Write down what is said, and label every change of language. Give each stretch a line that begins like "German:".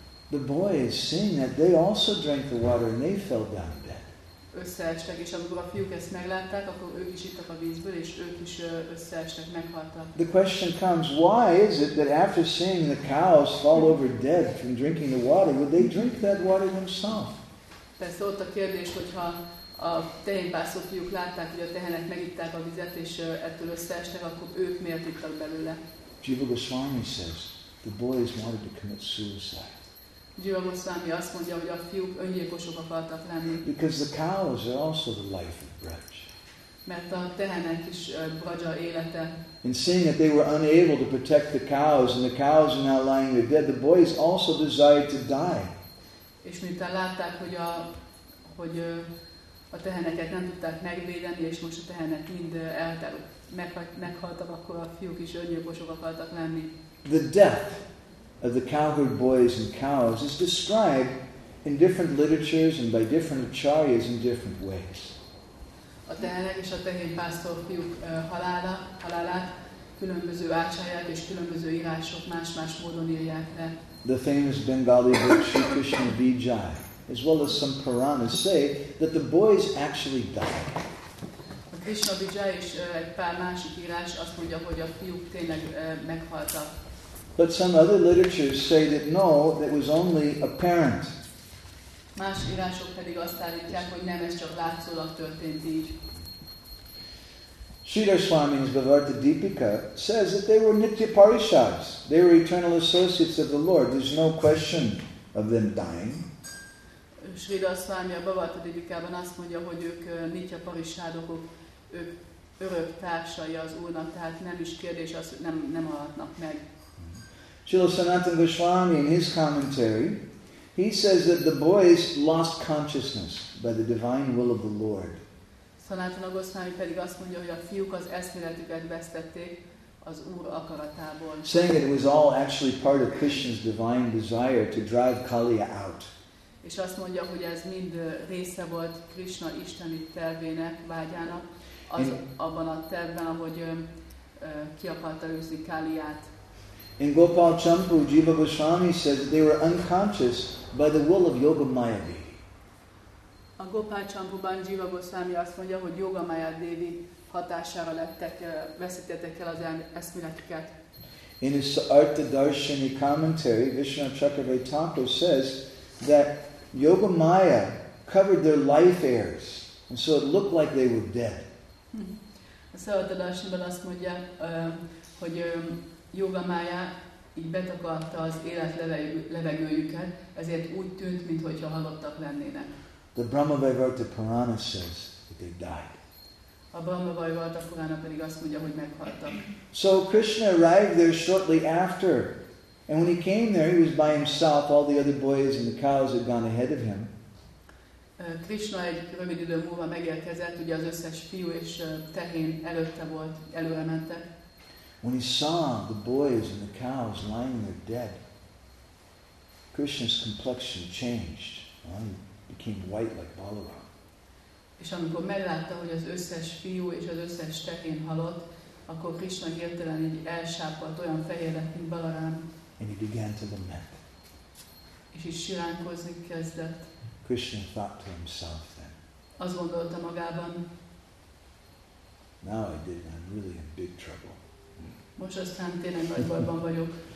English: The boys seeing that they also drank the water and they fell down dead.
Hungarian: Összeestek, és amikor a fiúk ezt meglátták, akkor ők is ittak a vízből, és ők is összeestek, meghaltak.
English: The question comes, why is it that after seeing the cows fall over dead from drinking the water, would they drink that water themselves?
Hungarian: Persze ott a kérdés, hogyha a tehénpászó fiúk látták, hogy a tehenek megitták a vizet, és ettől összeestek, akkor ők miért ittak belőle?
English: Jiva Goswami says, the boys wanted to commit suicide.
Hungarian: Jiva Goswami azt mondja, hogy a fiúk öngyilkosok akartak lenni.
English: Because the cows are also the life of Braj.
Hungarian: Mert a tehenek is Braja élete.
English: And seeing that they were unable to protect the cows, and the cows are now lying there dead, the boys also desired to die.
Hungarian: És miután látták, hogy a teheneket nem tudták megvédeni, és most a tehenek mind meghaltak, akkor a fiúk is öngyilkosok akartak lenni.
English: The death of the cowherd boys and cows is described in different literatures and by different acharyas in different ways.
Hungarian: A tehenek és a tehénpásztor fiúk halálát különböző ácsáját és különböző írások más-más módon írják le.
English: The famous Bengali book Sri Krishna Vijay, as well as some Puranas, say that the boys actually died.
Hungarian: A Krishna Vijay is egy pár másik írás azt mondja, hogy a fiúk tényleg meghaltak.
English: But some other literatures say that no, that was only apparent.
Hungarian: Más írások pedig azt állítják, hogy nem, ez csak látszólag történt így.
English: Sridhar Swami's Bhavartha Deepika says that they were Nitya Parishads. They were eternal associates of the Lord. There's no question of them dying.
Hungarian: Sridhar Swami a Bhavartha Deepikában azt mondja, hogy ők Nitya Parishadok, ők örök társai az Úrnak, tehát nem is kérdés az, hogy nem haladnak meg.
English: Srila Sanatan Goswami in his commentary, he says that the boys lost consciousness by the divine will of the Lord.
Hungarian: Sanatan Goswami pedig azt mondja, hogy a fiúk az eszméletüket vesztették az Úr akaratából.
English: Saying that it was all actually part of Krishna's divine desire to drive Kaliya out.
Hungarian: És azt mondja, hogy ez mind része volt Krishna isteni tervének, vágyának, az abban a tervben, ahogy ki akarta őzni Kaliát.
English: In Gopal Champu, Jiva Goswami says that they were unconscious by the will of Yoga Maya Devi.
Hungarian: A Gopal Champuban Jiva Goswami azt mondja, hogy Yoga Maya Devi hatására veszítettek el az eszméletüket.
English: In his Artha Darshini commentary, Vishnu Chakravartako says that Yoga Maya covered their life airs, and so it looked like they were dead.
Hungarian: So the Darshanban azt mondja, hogy Yoga Maya így betakarta az élet levegőjüket, ezért úgy tűnt, mintha halottak lennének.
English: The Brahmavaivarta Purana says that they died.
Hungarian: A Brahmavaivarta Purana pedig azt mondja, hogy meghaltak.
English: So Krishna arrived there shortly after. And when he came there, he was by himself. All the other boys and the cows had gone ahead of him.
Hungarian: Krishna egy rövid idő múlva megérkezett, ugye az összes fiú és tehén előtte volt, előre mentek.
English: When he saw the boys and the cows lying there dead, Krishna's complexion changed. He became white like Balaram.
Hungarian: És amikor meglátta, hogy az összes fiú és az összes tehén halott, akkor Krishna hirtelen így elsápadt, olyan fehér lett, mint Balaram.
English: And he began to lament.
Hungarian: És így siránkozni kezdett.
English: Krishna thought to himself then.
Hungarian: Azt gondolta magában.
English: Now I did. I'm really in big trouble.
Hungarian: Most aztán tényleg nagy bajban vagyok.